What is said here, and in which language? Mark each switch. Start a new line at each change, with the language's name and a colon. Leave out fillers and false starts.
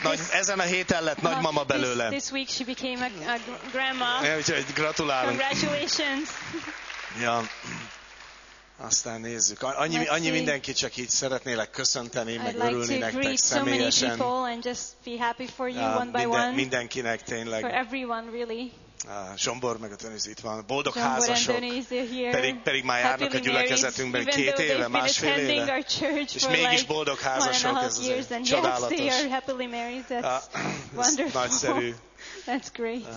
Hungarian: Ezen a héten lett nagymama belőle.
English: This week she became a grandma.
Hungarian: Úgyhogy gratulálunk.
English: Congratulations.
Hungarian: Ja. Aztán nézzük. Annyi mindenki csak így szeretnélek köszönteni, meg örülni
English: like
Hungarian: nektek
English: greet
Hungarian: személyesen.
English: So many and just be happy for you one by one.
Hungarian: Mindenkinek tényleg.
English: For everyone, really.
Hungarian: Zsombor meg a Denise itt van. Boldog házasok. Pedig már járnak a gyülekezetünkben két éve, másfél éve. És mégis boldog házasok, ez azért csodálatos.
English: They are happily married. That's wonderful.
Hungarian: Nagyszerű.
English: That's great.